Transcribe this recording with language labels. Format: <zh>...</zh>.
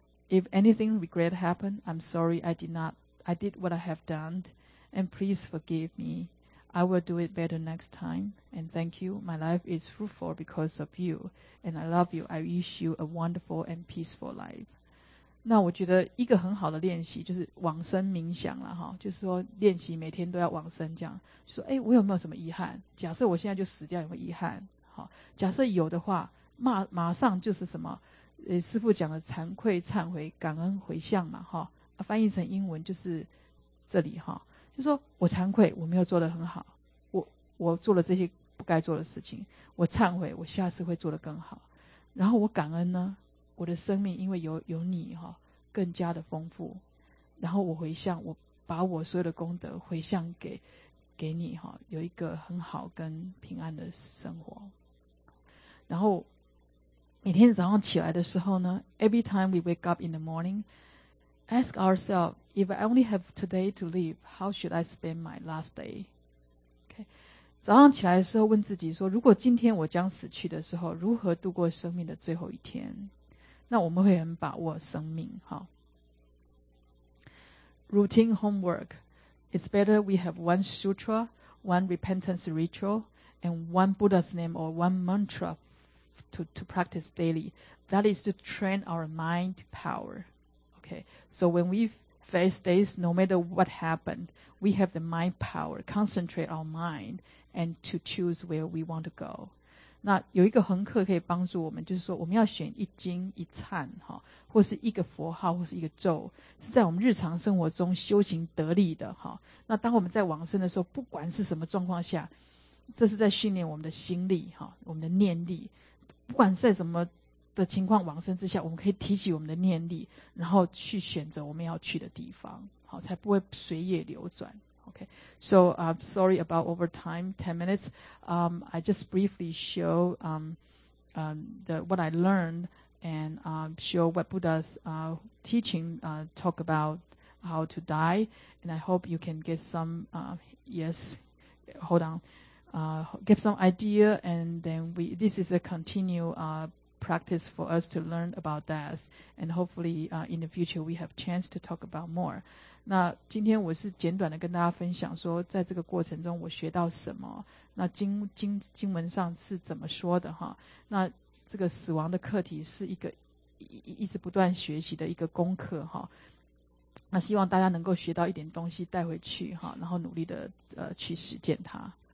<en>If anything regret happened, I'm sorry I did what I have done. And please forgive me. I will do it better next time. And thank you. My life is fruitful because of you. And I love you. I wish you a wonderful and peaceful life.</en> <zh>那我觉得一个很好的练习就是往生冥想啦齁，就是说练习每天都要往生，这样就说诶，我有没有什么遗憾，假设我现在就死掉有没有遗憾，齁，假设有的话马上就是什么师父讲的惭愧忏悔感恩回向嘛齁，翻译成英文就是这里齁，就说我惭愧，我没有做得很好，我做了这些不该做的事情，我忏悔，我下次会做得更好，然后我感恩呢，我的生命因为有你哈，更加的丰富。然后我回向，我把我所有的功德回向给你哈，有一个很好跟平安的生活。然后每天早上起来的时候呢</zh> <en>，Every time we wake up in the morning, ask ourselves, if I only have today to live, how should I spend my last day? Okay,</en> <zh>早上起来的时候问自己说，如果今天我将死去的时候，如何度过生命的最后一天，那我们会很把握生命。</zh> <en>好， Routine homework. It's better we have one sutra, one repentance ritual, and one Buddha's name or one mantra to practice daily. That is to train our mind power. Okay, so when we face days, no matter what happened, we have the mind power, concentrate our mind, and to choose where we want to go.</en> <zh>那有一个横课可以帮助我们，就是说我们要选一经一忏，或是一个佛号或是一个咒，是在我们日常生活中修行得力的。那当我们在往生的时候，不管是什么状况下，这是在训练我们的心力，我们的念力，不管在什么的情况往生之下，我们可以提起我们的念力，然后去选择我们要去的地方，好，才不会随业流转。</zh> <en>OK, so sorry about over time, 10 minutes. I just briefly show what I learned and show what Buddha's teaching talk about how to die, and I hope you can get some get some idea, and then this is a continue practice for us to learn about death, and hopefully in the future we have chance to talk about more.</en> <zh>那今天我是简短的跟大家分享说，在这个过程中我学到什么，那经文上是怎么说的哈。那这个死亡的课题是一个 一直不断学习的一个功课哈。那希望大家能够学到一点东西带回去哈，然后努力的去实践它。</zh>